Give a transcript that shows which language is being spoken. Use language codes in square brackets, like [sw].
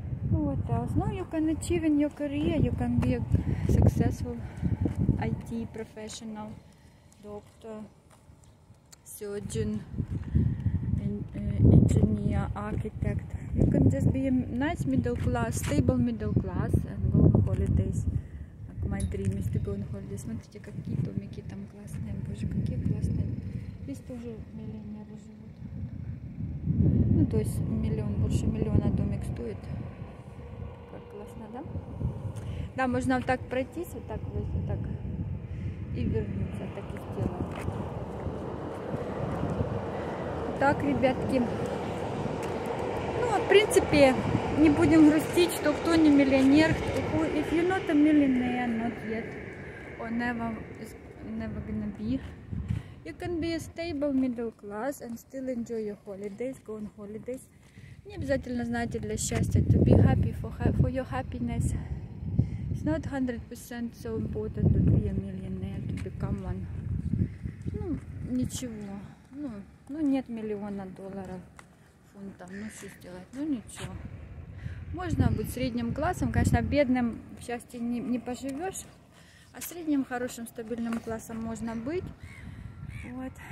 [en] What else? No, you can achieve in your career. You can be a successful IT professional, doctor, surgeon, engineer, architect. You can just be a nice middle class, stable middle class and go on holidays. Like my dream is to go on holidays. [ru] Смотрите, какие домики там классные. Боже, какие классные. Здесь тоже миллионеры живут. Ну, то есть миллион, больше миллиона домик стоит. Классно, да? Да, можно вот так пройтись, вот так вот, вот так и вернуться, так и сделать. Так, ребятки, ну, в принципе, не будем грустить, что кто не миллионер, кто, [en] if you're not a millionaire, not yet, or never gonna be, you can be a stable middle class and still enjoy your holidays, go on holidays. [ru] Не обязательно, знаете, для счастья, [en] to be happy for your happiness. It's not 100% so important to be a millionaire, to become one. [ru] Ну, ничего. Ну, нет миллиона долларов, фунтов, ну, что сделать? Ну, ничего. Можно быть средним классом, конечно, бедным в счастье не поживешь, а средним, хорошим, стабильным классом можно быть. Вот.